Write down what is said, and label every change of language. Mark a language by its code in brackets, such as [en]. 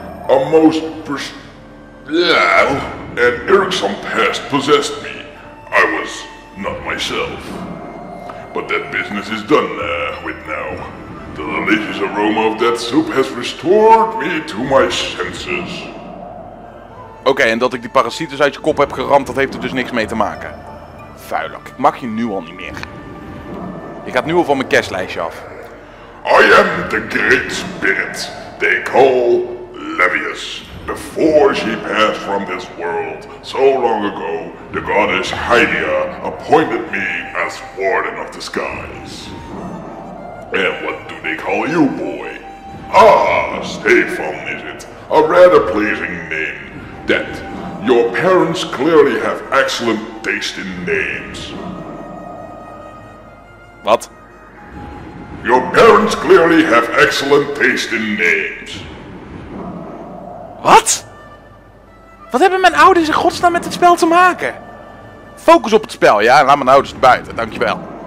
[en] A most an irksome past possessed me. I was not myself. but that business is done with now. The delicious aroma of that soup has restored me to my senses. [nl] Oké, en dat ik die parasieten uit je kop heb geramd, dat heeft er dus niks mee te maken. Vuilak, ik mag je nu al niet meer. Je gaat nu al van mijn kerstlijstje af. [en] I am the great spirit they call Levius. Before she passed from this world, so long ago, the goddess Hylia appointed me as warden of the skies. And what do they call you, boy? Ah, Stefan is it. A rather pleasing name. That your parents clearly have excellent taste in names. What? Your parents clearly have excellent taste in names. [nl] Wat? Wat hebben mijn ouders in godsnaam met het spel te maken? Focus op het spel, ja? Laat mijn ouders buiten, dankjewel.